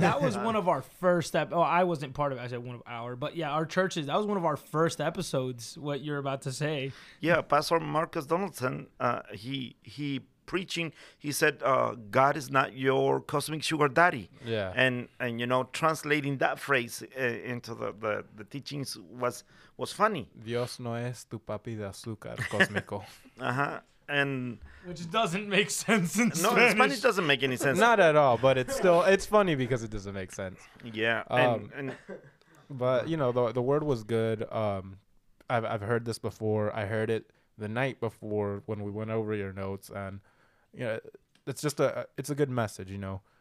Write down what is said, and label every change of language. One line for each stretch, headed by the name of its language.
English: That was one of our first I wasn't part of it. I said one of our, but yeah, our churches, that was one of our first episodes, what you're about to say. Yeah, Pastor Marcus Donaldson, he preaching, he said, God is not your cosmic sugar daddy. Yeah. And you know, translating that phrase into the teachings was funny.
Spanish: Dios no es tu papi de azúcar cósmico.
English: Uh-huh. And which doesn't make sense in Spanish. No, Spanish doesn't make any sense. Not at all, but it's still, it's funny because it doesn't make sense. Yeah. But you know, the word was good. I've heard this before. I heard it the night before when we went over your notes, and you know, it's just it's a good message, you know.